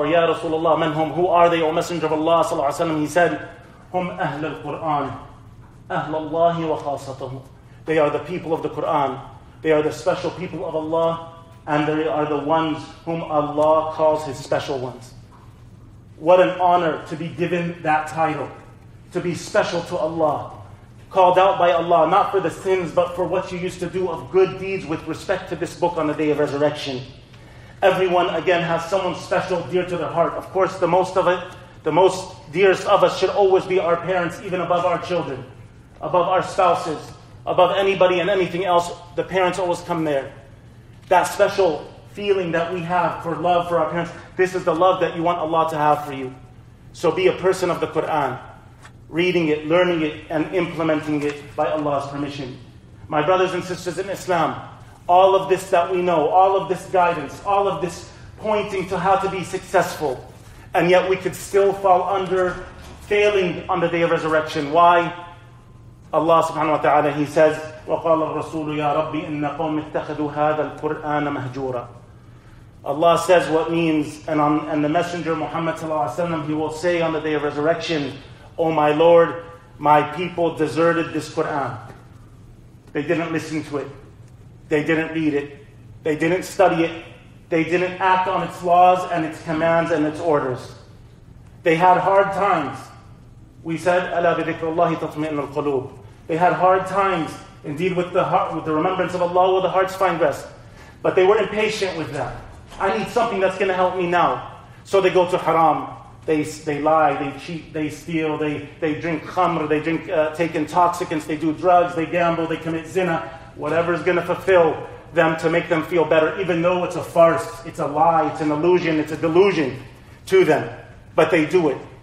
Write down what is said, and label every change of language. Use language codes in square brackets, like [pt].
[en] Or [ar] يَا رَسُولَ اللَّهِ مَنْ هُمْ. [en] Who are they, O Messenger of Allah [ar] صلى الله عليه وسلم? [en] He said, [ar] هُمْ أَهْلَ الْقُرْآنِ. أَهْلَ اللَّهِ وَخَاصَتَهُ. [en] They are the people of the Qur'an. They are the special people of Allah. And they are the ones whom Allah calls His special ones. What an honor to be given that title. To be special to Allah. Called out by Allah, not for the sins, but for what you used to do of good deeds with respect to this book on the Day of Resurrection. Everyone, again, has someone special, dear to their heart. Of course, the most dearest of us should always be our parents, even above our children, above our spouses, above anybody and anything else. The parents always come there. That special feeling that we have for love for our parents, this is the love that you want Allah to have for you. So be a person of the Qur'an. Reading it, learning it, and implementing it by Allah's permission. My brothers and sisters in Islam, all of this that we know, all of this guidance, all of this pointing to how to be successful, and yet we could still fall under failing on the Day of Resurrection. Why? [ar] Allah subhanahu wa ta'ala, [en] He says, [ar] وَقَالَ الرَّسُولُ يَا رَبِّ إِنَّ قَوْمِ اتَّخَذُوا هَذَا الْقُرْآنَ مَهْجُورًا. [en] Allah says what means, and the Messenger Muhammad sallallahu alayhi wa sallam, he will say on the Day of Resurrection, Oh my Lord, my people deserted this Qur'an. They didn't listen to it. They didn't read it. They didn't study it. They didn't act on its laws and its commands and its orders. They had hard times. We said, [ar] أَلَا بِذِكْرُ اللَّهِ تَطْمِئِنُ الْقُلُوبِ. [en] They had hard times, indeed with the heart, with the remembrance of Allah will the hearts find rest. But they were impatient with that. I need something that's going to help me now. So they go to haram. They lie, they cheat, they steal, they drink khamr, they drink take intoxicants, they do drugs, they gamble, they commit zina, whatever is going to fulfill them to make them feel better, even though it's a farce, it's a lie, it's an illusion, it's a delusion to them. But they do it.